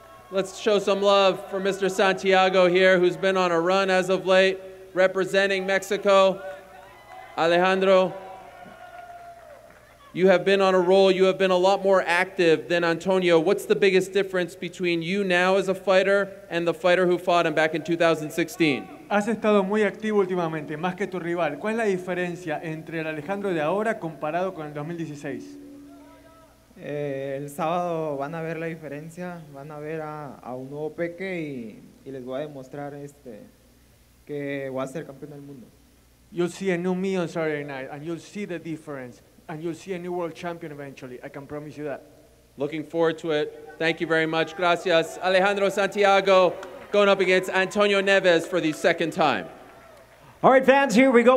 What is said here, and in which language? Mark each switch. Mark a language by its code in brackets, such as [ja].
[en] Let's show some love for Mr. Santiago here, who's been on a run as of late, representing Mexico. Alejandro, you have been on a roll. You have been a lot more active than Antonio. What's the biggest difference between you now as a fighter and the fighter who fought him back in 2016? [es] Has estado muy activo últimamente, más que tu rival. ¿Cuál es la diferencia entre el Alejandro de ahora comparado con el 2016? El sábado van a ver la diferencia, van a ver a un nuevo Peque y les voy a demostrar que voy a ser campeón del mundo. [en] You'll see a new me on Saturday night, and you'll see the difference, and you'll see a new world champion eventually. I can promise you that. Looking forward to it. Thank you very much. Gracias, Alejandro Santiago. Going up against Antonio Neves for the second time. All right, fans, here we go.